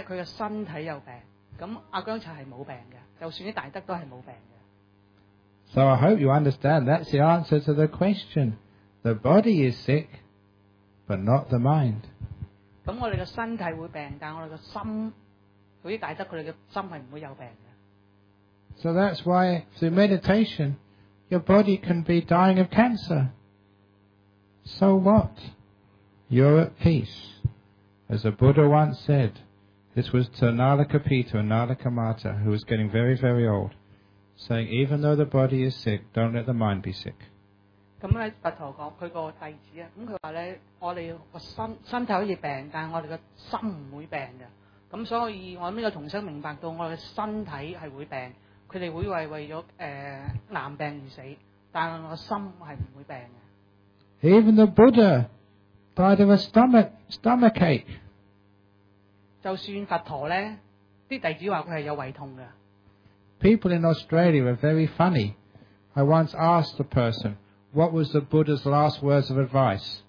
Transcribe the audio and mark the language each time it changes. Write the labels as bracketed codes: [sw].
[yue] 佢個身體有病，咁阿姜茶係冇病嘅，就算啲大德都係冇病嘅。 [en] So I hope you understand that's the answer to the question. The body is sick, but not the mind. [yue] 咁我哋嘅身體會病，但我哋嘅心，嗰啲大德佢哋嘅心係唔會有病嘅。 [en] So that's why through meditation, your body can be dying of cancer. So what? You're at peace. As a Buddha once said, this was to Nalakapita and Nalakamata, who was getting very, very old, saying, even though the body is sick, don't let the mind be sick. [yue] 咁咧，佛陀講佢個弟子啊，咁佢話咧，我哋個身體可以病，但係我哋個心唔會病嘅。咁所以我呢個同修明白到，我哋身體係會病，佢哋會為咗癌病而死，但係我心係唔會病嘅。 [en] Even the Buddha. Died of a stomach ache. [yue] 就算佛陀咧，啲弟子话佢系有胃痛噶。 [en] People in Australia are very funny. I once asked the person, "What was the Buddha's last words of advice?"